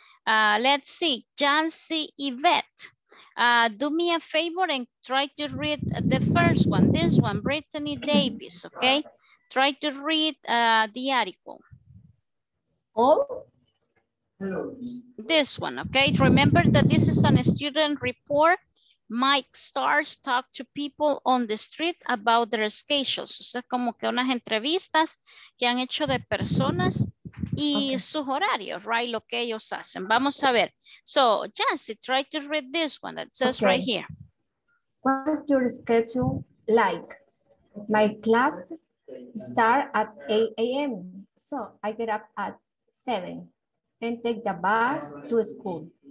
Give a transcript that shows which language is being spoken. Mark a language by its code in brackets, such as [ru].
[en] Let's see, Jancy Yvette. Do me a favor and try to read the first one, this one, Brittany Davis, okay? Try to read the article. Oh? This one, okay? Remember that this is a student report. Mike Starrs talked to people on the street about their schedules. [es] O sea, como que unas entrevistas que han hecho de personas y okay, sus horarios, right? Lo que ellos hacen. Vamos a ver. [en] So, Jancy, try to read this one that says okay, right here. What's your schedule like? My class starts at 8 a.m. So, I get up at 7 and take the bus to school.